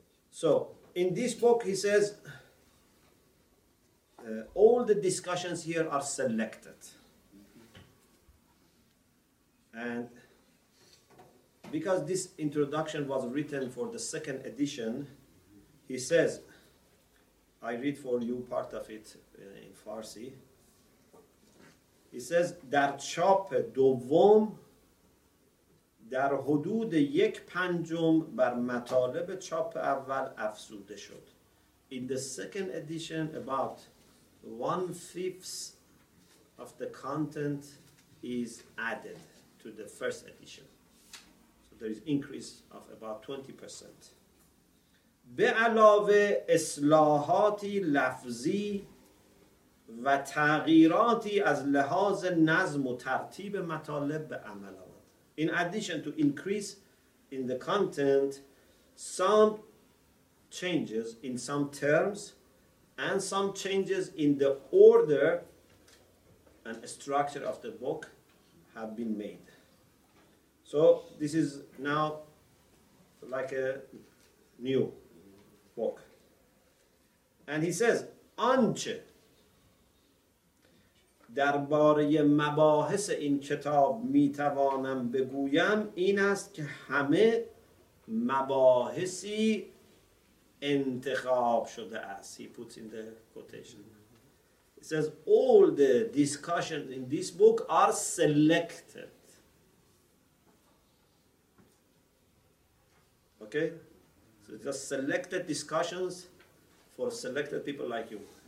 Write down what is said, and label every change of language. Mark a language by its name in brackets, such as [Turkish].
[English] So in this book, he says, all the discussions here are selected. And because this introduction was written for the second edition, he says, I read for you part of it in Farsi. He says, [Persian] در چاپ دوم در حدود یک پنجم بر مطالب چاپ اول افزوده شد. [English] In the second edition, about 1/5 of the content is added to the first edition. So there is increase of about 20%. [Persian] به علاوه اصلاحاتی لفظی و تغییراتی از لحاظ نظم و ترتیب مطالب به عمل آمد. [English] In addition to increase in the content, some changes in some terms and some changes in the order and structure of the book have been made. So this is now like a new book. And he says, [Persian] آنچه درباره مباحث این کتاب میتوانم بگویم این است که همه مباحثی انتخاب شده است. [English] He puts in the quotation. He says, all the discussions in this book are selected. Okay? So it's just selected discussions for selected people like you.